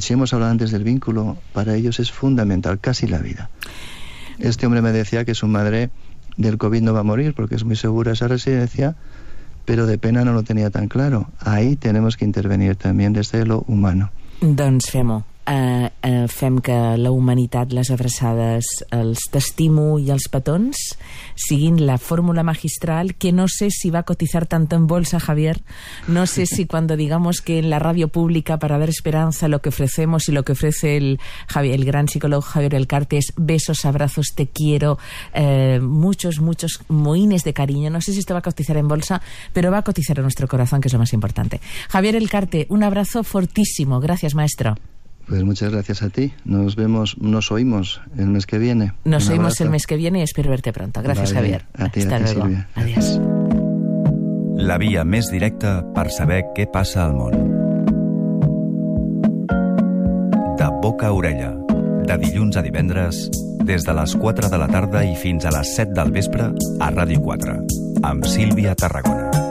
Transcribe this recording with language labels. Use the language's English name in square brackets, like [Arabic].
[Spanish] Si hemos hablado antes del vínculo, para ellos es fundamental, casi la vida. Este hombre me decía que su madre del COVID no va a morir porque es muy segura esa residencia, pero de pena no lo tenía tan claro. Ahí tenemos que intervenir también desde lo humano. [Catalan] Doncs fem-ho. Fem que la humanitat, les abraçades, els t'estimo i els petons siguin la fórmula magistral, [Spanish] que no sé si va a cotizar tanto en bolsa, [Catalan] Javier. [Spanish] No sé si cuando digamos que en la radio pública, para dar esperanza, lo que ofrecemos y lo que ofrece el gran psicólogo Javier Elcarte es besos, abrazos, te quiero, muchos, muchos mohines de cariño. No sé si esto va a cotizar en bolsa, pero va a cotizar en nuestro corazón, que es lo más importante. Javier Elcarte, un abrazo fortísimo. Gracias, maestro. Pues muchas gracias a ti. Nos vemos, nos oímos el mes que viene. Nos oímos el mes que viene y espero verte pronto. Gracias, vale, Javier. A ti, Silvia. Adiós. [Catalan] La vía més directa per saber què passa al món. De boca a orella. De dilluns a divendres, des de les 4 de la tarda i fins a les 7 del vespre, a Ràdio 4, amb Sílvia Tarragona.